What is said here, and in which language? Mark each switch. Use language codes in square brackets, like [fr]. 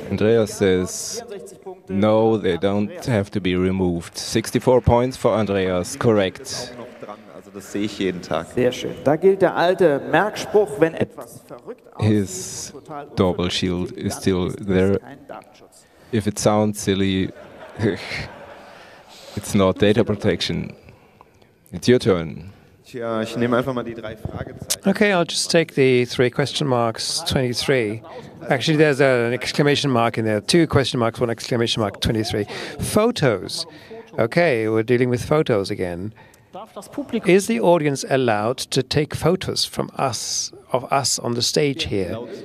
[en] Andreas says, no, they don't have to be removed. 64 points for Andreas, correct. [de] Das sehe ich jeden Tag. Sehr schön. Da gilt der alte Merkspruch, wenn etwas verrückt aussieht, [en] his double shield is still there. If it sounds silly, it's not data protection. It's your turn. [de] Tja, ich nehme einfach mal die drei Fragezeichen. [en] Okay, I'll just take the three question marks, 23. Actually, there's an exclamation mark in there. Two question marks, one exclamation mark, 23. Photos. Okay, we're dealing with photos again. Is the audience allowed to take photos from us, of us on the stage here?